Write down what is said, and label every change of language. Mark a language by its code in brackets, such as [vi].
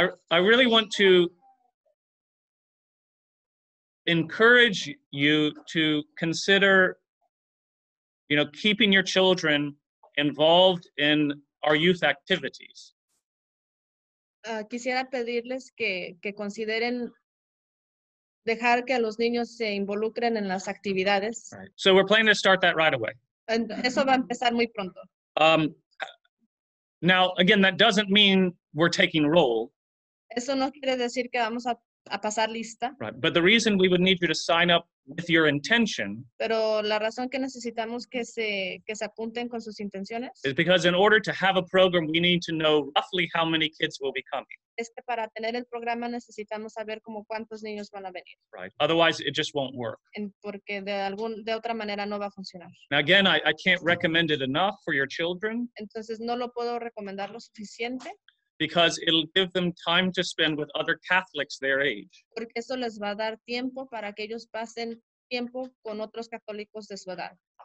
[en] I really want to encourage you to consider, you know, keeping your children involved in our youth activities. [es] Quisiera pedirles que consideren dejar que los niños se involucren en las actividades. [en] Right. So we're planning to start that right away. [es] Eso va a empezar muy pronto. [en] Now, again, that doesn't mean we're taking roll. [es] Eso no quiere decir que vamos a pasar lista. [en] Right. But the reason we would need you to sign up with your intention. [es] Pero la razón que necesitamos que se apunten con sus intenciones. [en] Is because in order to have a program, we need to know roughly how many kids will be coming. [es] Es que para tener el programa necesitamos saber como cuántos niños van a venir. [en] Right. Otherwise, it just won't work. [es] Porque de otra manera no va a funcionar. [en] Now again, I can't recommend it enough for your children. [es] Entonces no lo puedo recomendar lo suficiente. [en] Because it'll give them time to spend with other Catholics their age. [es] Porque eso les va a dar tiempo para que ellos pasen tiempo con otros católicos de su edad.